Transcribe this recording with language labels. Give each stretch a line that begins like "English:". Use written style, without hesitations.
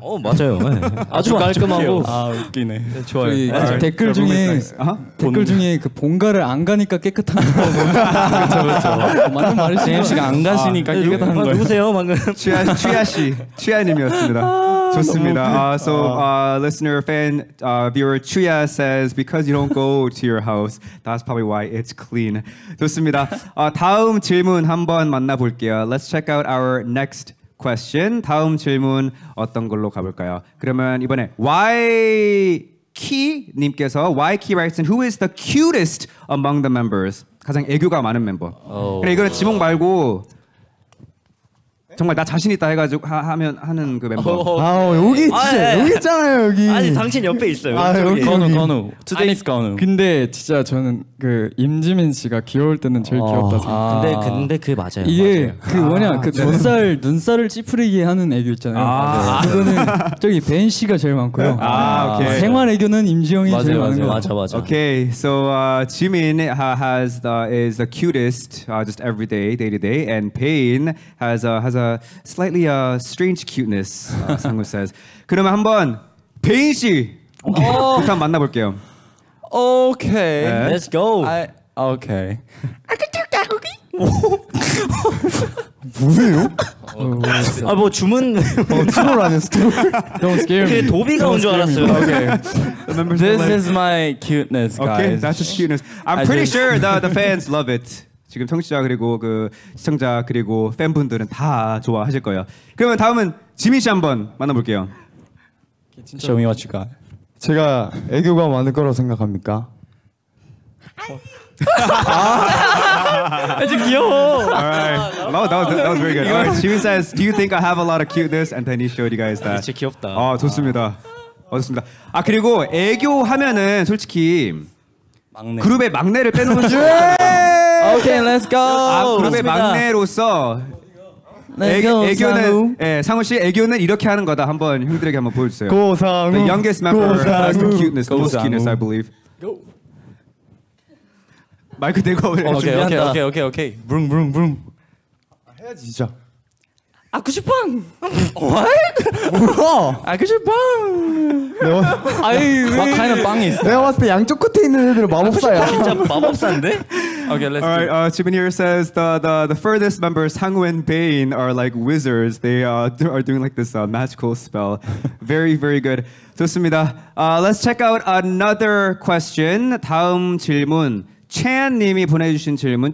Korean: 어 맞아요. 네. 아주 깔끔하고. 아 웃기네. 네, 좋아요. 저희, 아, 댓글 중에 댓글 중에 그 본가를 안 가니까 깨끗한 거. 그렇죠. 맞는 말이죠. JM 씨가 안 가시니까 깨끗한 거. 누구세요 방금? 취아 씨, 취아님이었습니다. 좋습니다.
English: So listener fan viewer Chuya says because you don't go to your house, that's probably why it's clean.
Korean: 좋습니다. 다음 질문 한번 만나볼게요.
English: Let's check out our next question.
Korean: 다음 질문 어떤 걸로 가볼까요?
English: 그러면 이번에 YK님께서 YK writes in who is the cutest among the members?
Korean: 가장 애교가 많은 멤버. 그래 이거는 지목 말고. 정말 나 자신 있다 해가지고 하면 하는 그 멤버. 아 여기 진짜 여기 있잖아요 여기. 아니 당신 옆에 있어요. 아 여기.
English: 건우. Today's 건우.
Korean: 근데 진짜 저는 그 임지민 씨가 귀여울 때는 제일 귀엽다 생각. 근데 그 맞아요. 이게 그 뭐냐 그 눈살을 찌푸리게 하는 애교 있잖아요. 그거는 저기 벤 씨가 제일 많고요. 아 오케이. 생활 애교는 임지영이 제일 많은 거 맞아 맞아.
English: 오케이, so Jimin has the is the cutest just everyday daily day, and Pain has a slightly strange cuteness, Sangwoo says.
Korean: 그러면 한번 베인 씨 부터 만나볼게요.
English: Okay, yeah. Let's go. Okay. 아까뚜까고기.
Korean: 뭐예요? 아 뭐 주문. 트롤 아니야 트롤.
English: Don't scare me.
Korean: 도비가 온 줄 알았어요.
English: Okay. This is my cuteness, guys. Okay, that's just cuteness. I'm pretty sure the fans love it.
Korean: 지금 청취자 그리고 그 시청자 그리고 팬분들은 다 좋아하실 거예요. 그러면 다음은 지민 씨 한번 만나볼게요.
English: Show me what you got.
Korean: 제가 애교가 많을 거라고 생각합니까? 아주 귀여워.
English: Alright, that was very good. Alright, Jimin says, "Do you think I have a lot of cuteness?" And then he showed you guys that.
Korean: 진짜 귀엽다. 아 좋습니다. 좋습니다. 아 그리고 애교 하면은 솔직히 막내. 그룹의 막내를 빼놓는 중.
English: Okay, let's go.
Korean: 아, 그룹의 막내로서 애교는 예, 상우 씨 애교는 이렇게 하는 거다. 한번 형들에게 한번 보여 주세요. 고상우.
English: The youngest member of the cuteness, most cuteness I believe. Go.
Korean: 마이크 대고 오케이, 준비한다. 오케이, 오케이, 오케이, 오케이. 브룽 브룽 브룽. 해야지 진짜. 아쿠슈팡.
English: What?
Korean: 뭐야? 아쿠슈팡. 막 하는 빵이 있어. 내가 봤을 때 양쪽 끝에 있는 애들은 마법사야. 진짜 마법사인데? Okay, let's
English: All right, Jimin here says the furthest members, Sangwoo and Bane, are like wizards. They are doing like this magical spell. Very, very good. 좋습니다. Let's check out another question. 다음 질문.
Korean: Chan 님이 보내주신 질문.